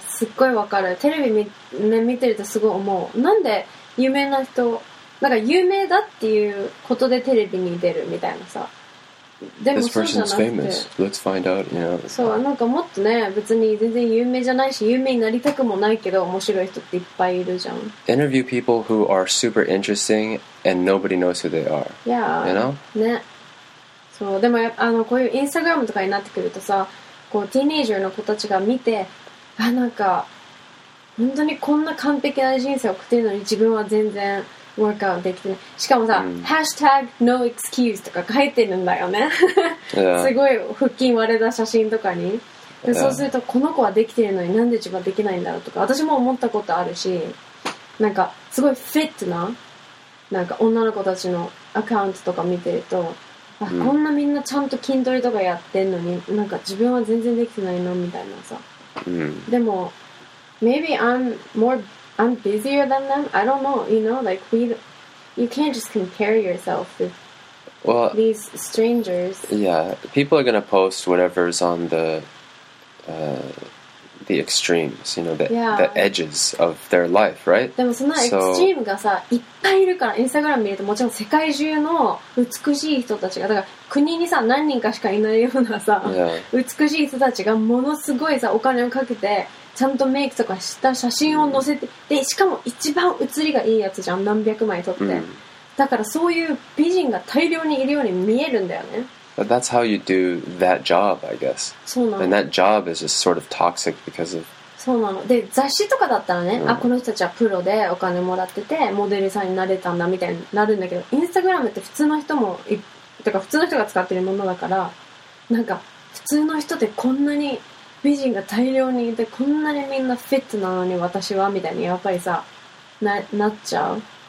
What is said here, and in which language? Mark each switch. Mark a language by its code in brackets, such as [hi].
[ja] すっごいわかる。テレビ見てるとすごい思う。なんで有名な人、なんか有名だっていうことでテレビに出るみたいなさ。でもそうじゃなくて。 [en] This person's famous. Let's find out. You know. [ja] そう、なんかもっとね、別に全然有名じゃないし、有名になりたくもないけど、面白い人っていっぱいいるじゃん。 [en] Interview people who are super interesting and nobody knows who they are. Yeah. You know? [ja] ね。そう、でもあのこういうインスタグラムとかになってくるとさ、こうティーネイジャーの子たちが見て、あ、なんか本当にこんな完璧な人生を送っているのに自分は全然ワークアウトできてない。しかもさ、ハッシュタグ [en] no excuse [ja] とか書いてるんだよね。すごい腹筋割れた写真とかに。でそうするとこの子はできてるのになんで自分はできないんだろうとか私も思ったことあるし、なんかすごいフィットななんか女の子たちのアカウントとか見てると、あ、こんなみんなちゃんと筋トレとかやってんのに、なんか自分は全然できてないのみたいなさ、でも [en] maybe I'm busier than them, I don't know, you know, like you can't just compare yourself with Well, these strangers. Yeah, people are going to post whatever's on the extremes, you know, the edges of their life, right? [ja] でもそのエクスチームがさ、いっぱいいるから、インスタグラム見るともちろん世界中の美しい人たちが、だから国にさ、何人かしかいないようなさ、美しい人たちがものすごいさ、お金をかけて、ちゃんとメイクとかした写真を載せて、で、しかも一番写りがいいやつじゃん、何百枚撮って。だからそういう美人が大量にいるように見えるんだよね。 [en] But that's how you do that job, I guess. [ja] そうなの。 [en] And that job is just sort of toxic because of... [ja] そうなの。で、雑誌とかだったらね、あ、この人たちはプロでお金もらってて、モデルさんになれたんだみたいになるんだけど、インスタグラムって普通の人も、とか普通の人が使ってるものだから、なんか普通の人ってこんなに美人が大量にいて、こんなにみんなフィットなのに私はみたいにやっぱりさ、なっちゃう。